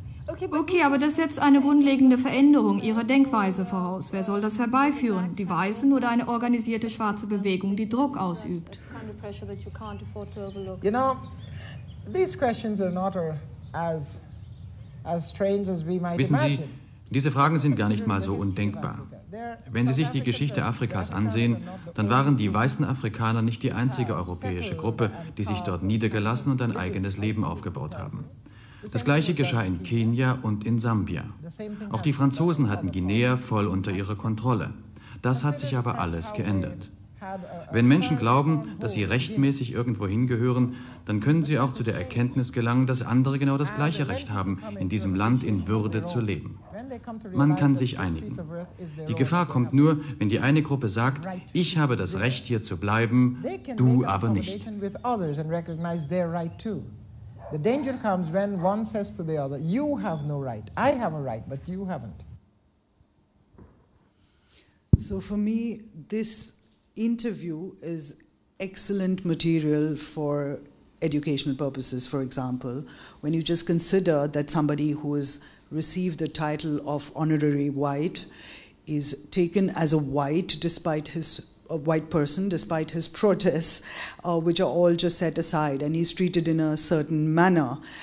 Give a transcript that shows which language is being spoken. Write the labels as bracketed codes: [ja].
[de] Okay, aber das setzt eine grundlegende Veränderung ihrer Denkweise voraus. Wer soll das herbeiführen? Die Weißen oder eine organisierte schwarze Bewegung, die Druck ausübt? [en] You know, these questions are not as strange as we might imagine. [de] Wissen Sie, diese Fragen sind gar nicht mal so undenkbar. Wenn Sie sich die Geschichte Afrikas ansehen, dann waren die weißen Afrikaner nicht die einzige europäische Gruppe, die sich dort niedergelassen und ein eigenes Leben aufgebaut haben. Das Gleiche geschah in Kenia und in Sambia. Auch die Franzosen hatten Guinea voll unter ihrer Kontrolle. Das hat sich aber alles geändert. Wenn Menschen glauben, dass sie rechtmäßig irgendwo hingehören, dann können sie auch zu der Erkenntnis gelangen, dass andere genau das gleiche Recht haben, in diesem Land in Würde zu leben. Man kann sich einigen. Die Gefahr kommt nur, wenn die eine Gruppe sagt, ich habe das Recht, hier zu bleiben, du aber nicht. [en] The danger comes when one says to the other, you have no right, I have a right, but you haven't. So for me, this interview is excellent material for educational purposes, for example, when you just consider that somebody who has received the title of honorary white is taken as a white despite his a white person, despite his protests, which are all just set aside, and he's treated in a certain manner.